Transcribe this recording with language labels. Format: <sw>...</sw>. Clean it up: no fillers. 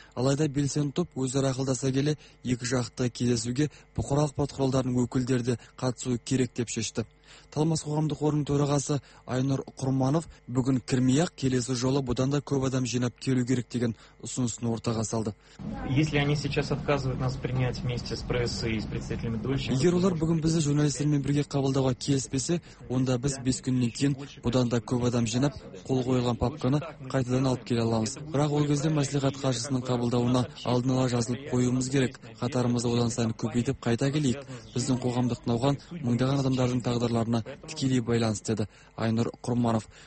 <kk>Алайда белсенді топ өзара ақылдаса келе екі жақты кездесуге бұқаралық ақпарат құралдарының өкілдері де қатысуы керек деп шешті. Талмас қоғамдық қорының төрағасы Айнұр Құрманов бүгін кірмей-ақ келесі жолы бұдан да көп адам жинап келу керек деген ұсынысын ортаға салды.</kk> <ru>Если они сейчас отказывают нас принять вместе с прессой и с представителями дольщиков.</ru> <kk>Егер олар бүгін бізді журналистермен бірге қабылдауға келіспесе, онда біз 5 күннен кейін бұдан да көп адам жинап қол қойылған папканы қайтадан алып келе аламыз. Бірақ ол кезде мәслихат хатшысының қабылдауына алдын ала жазылып қоюымыз керек. Қатарымызды одан сайын көбейтіп қайта келейік. Біздің қоғамдық науқан мыңдаған адамдардың тағдырларына тікелей байланысты деді Айнұр Құрманов.</kk>